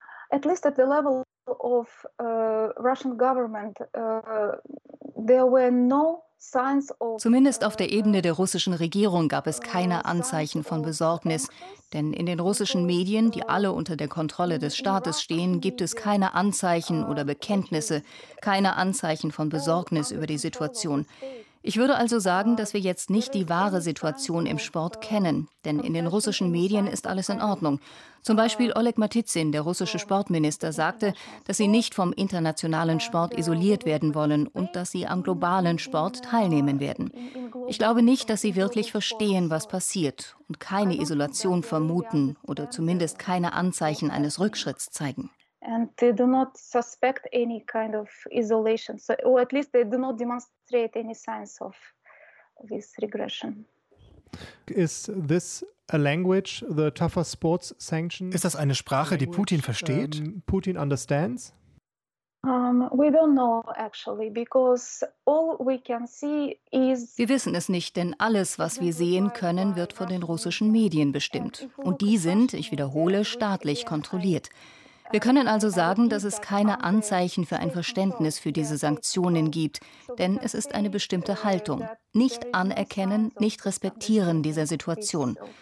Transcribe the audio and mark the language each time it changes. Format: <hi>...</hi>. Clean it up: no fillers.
<en>At least at the level of Russian government, there were no signs of.</en> <de>Zumindest auf der Ebene der russischen Regierung gab es keine Anzeichen von Besorgnis. Denn in den russischen Medien, die alle unter der Kontrolle des Staates stehen, gibt es keine Anzeichen oder Bekenntnisse, keine Anzeichen von Besorgnis über die Situation. Ich würde also sagen, dass wir jetzt nicht die wahre Situation im Sport kennen. Denn in den russischen Medien ist alles in Ordnung. Zum Beispiel Oleg Matizin, der russische Sportminister, sagte, dass sie nicht vom internationalen Sport isoliert werden wollen und dass sie am globalen Sport teilnehmen werden. Ich glaube nicht, dass sie wirklich verstehen, was passiert und keine Isolation vermuten oder zumindest keine Anzeichen eines Rückschritts zeigen.</de> <en>And they do not suspect any kind of isolation, so, or at least they do not demonstrate any signs of this regression. Is this a language, the tougher sports sanctions?</en> <de>Ist das eine Sprache, die Putin versteht?</de> <en>Putin understands? We don't know actually, because all we can see is.</en> <de>Wir wissen es nicht, denn alles, was wir sehen können, wird von den russischen Medien bestimmt. Und die sind, ich wiederhole, staatlich kontrolliert. Wir können also sagen, dass es keine Anzeichen für ein Verständnis für diese Sanktionen gibt, denn es ist eine bestimmte Haltung. Nicht anerkennen, nicht respektieren dieser Situation.</de>